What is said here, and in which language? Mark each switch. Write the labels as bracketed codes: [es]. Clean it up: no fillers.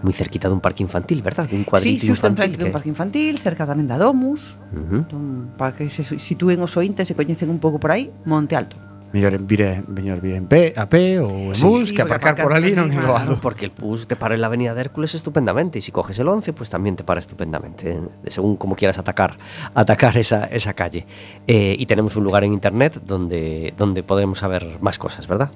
[es] Muy cerquita de un parque infantil, ¿verdad? De un cuadrito infantil. Sí, justo enfrente de un parque infantil, [gl] cerca tamén da Domus. [es] Uh-huh. [gl] Para que se sitúen os ointes, se coñecen un pouco por aí, Monte Alto. [es] Mejor ir en [gl] a pé [es] o en bus, sí, que aparcar por allí, no me lo hago. Porque el bus te para en la avenida de Hércules estupendamente, y si coges el 11, pues también te para estupendamente, según como quieras atacar esa calle. Y tenemos un lugar en internet donde podemos saber más cosas, ¿verdad?